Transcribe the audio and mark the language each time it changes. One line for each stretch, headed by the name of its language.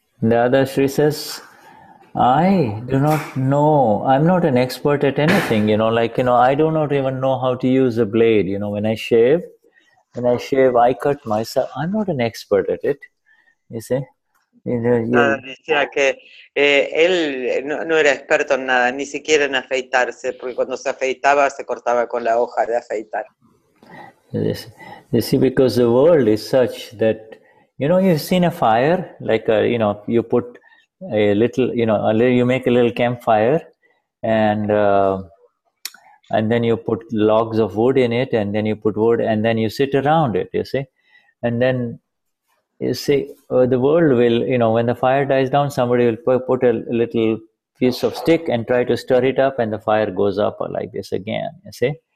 English: The other Sri says, I do not know, I'm not an expert at anything, you know, like, you know, I do not even know how to use a blade, you know, when I shave, I cut myself, I'm not an expert at it, you see.
Spanish: Decía que él no era experto en nada, ni siquiera en afeitarse, porque cuando se afeitaba se cortaba con la hoja de afeitar.
English: You see, because the world is such that, you know, you've seen a fire, like, you know, you put a little, you know, you make a little campfire and then you put logs of wood in it and then you put wood and then you sit around it, you see, and then you see, the world will, you know, when the fire dies down, somebody will put a little piece of stick and try to stir it up and the fire goes up like this again, you see.